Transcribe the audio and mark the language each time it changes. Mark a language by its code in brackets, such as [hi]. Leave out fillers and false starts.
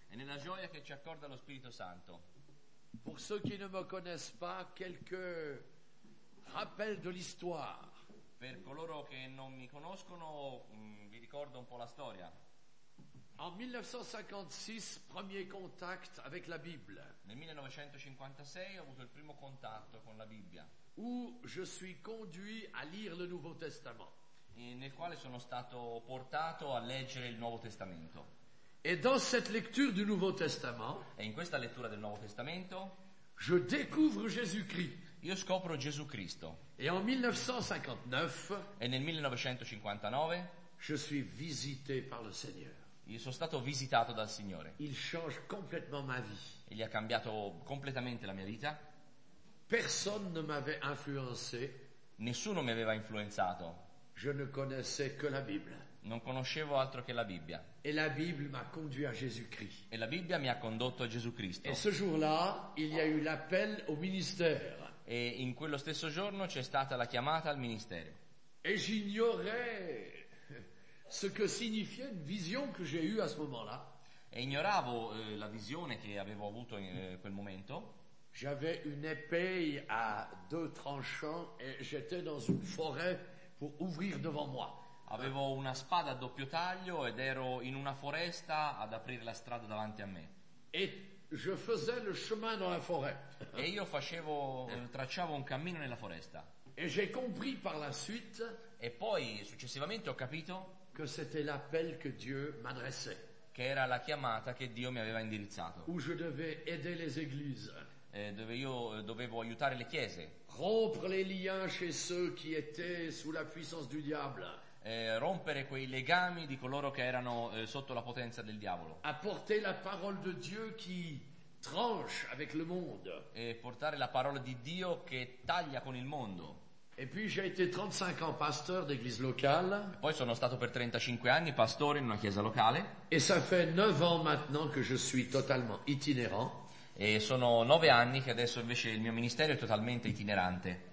[fr] Et [it] nella gioia che ci accorda lo Spirito Santo. [fr] Pour ceux qui ne me connaissent pas, quelques rappels de l'histoire. [it] Per coloro che non mi conoscono, vi ricordo un po' la storia. [fr] En 1956, premier contact avec la Bible. [it] Nel 1956 ho avuto il primo contatto con la Bibbia. [fr] Où je suis conduit à lire le Nouveau Testament. [it] E nel quale sono stato portato a leggere il Nuovo Testamento. [fr] Et dans cette lecture du Nouveau Testament, [it] e in questa lettura del Nuovo Testamento, [fr] je découvre Jésus-Christ. [it] Io scopro Gesù Cristo. [fr] Et en 1959, [it] e nel 1959, [fr] je suis visité par le Seigneur. [it] Io sono stato visitato dal Signore. [fr] Il change complètement ma vie. [it] Egli ha cambiato completamente la mia vita. [fr] Personne ne m'avait influencé. [it] Nessuno mi aveva influenzato. [fr] Je ne connaissais que la Bible. [it] Non conoscevo altro che la Bibbia. [fr] Et la Bible m'a conduit à Jésus-Christ. [it] E la Bibbia mi ha condotto a Gesù Cristo. [fr] Et ce jour-là, il y a eu l'appel au ministère. [it] E in quello stesso giorno c'è stata la chiamata al ministero. [fr] Et j'ignorais ce que signifiait une vision que j'ai eue à ce moment-là. [it] E ignoravo la visione che avevo avuto in quel momento. [fr] J'avais une épée à deux tranchants et j'étais dans une forêt pour ouvrir devant moi. [it] Avevo una spada a doppio taglio ed ero in una foresta ad aprire la strada davanti a me. [fr] Et je faisais le chemin dans la forêt. [it] E io facevo, tracciavo un cammino nella foresta. [fr] Et j'ai compris par la suite. [it] E poi successivamente ho capito [fr] que c'était l'appel que Dieu m'adressait. [it] Che era la chiamata che Dio mi aveva indirizzato. [fr] Où je devais aider les églises. [it] Dove io dovevo aiutare le chiese. [fr] Rompre les liens chez ceux qui étaient sous la puissance du diable. [it] Rompere quei legami di coloro che erano sotto la potenza del diavolo. [fr] Apporter la parole de Dieu qui tranche avec le monde. [it] E portare la parola di Dio che taglia con il mondo. [fr] Et puis j'ai été 35 ans pasteur d'église locale. [it] Poi sono stato per 35 anni pastore in una chiesa locale. [fr] Et ça fait 9 ans maintenant que je suis totalement itinérant. [it] E sono 9 anni che adesso invece il mio ministero è totalmente itinerante.